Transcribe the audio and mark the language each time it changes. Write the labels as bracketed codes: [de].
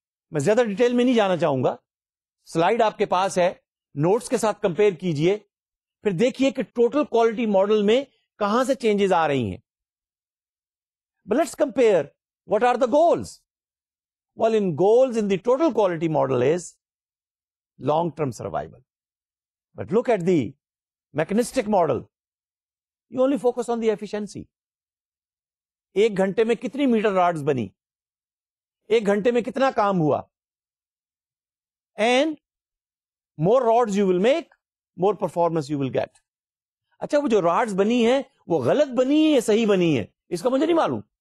[ur] میں زیادہ ڈیٹیل میں نہیں جانا چاہوں گا, سلائیڈ آپ کے پاس ہے, نوٹس کے ساتھ کمپیئر کیجئے, پھر دیکھیے کہ ٹوٹل کوالٹی ماڈل میں کہاں سے چینجز آ رہی ہیں. [en] But let's compare what are the goals. Well in goals in the total quality model is long term survival, but look at the mechanistic model, you only focus on the efficiency. [ur] ایک گھنٹے میں کتنی metre rods بنی, ایک گھنٹے میں کتنا کام ہوا, [en] And more rods you will make more performance you will get. [ur] اچھا, وہ جو راڈز بنی ہے وہ غلط بنی ہے یا صحیح بنی ہے اس کا مجھے نہیں معلوم.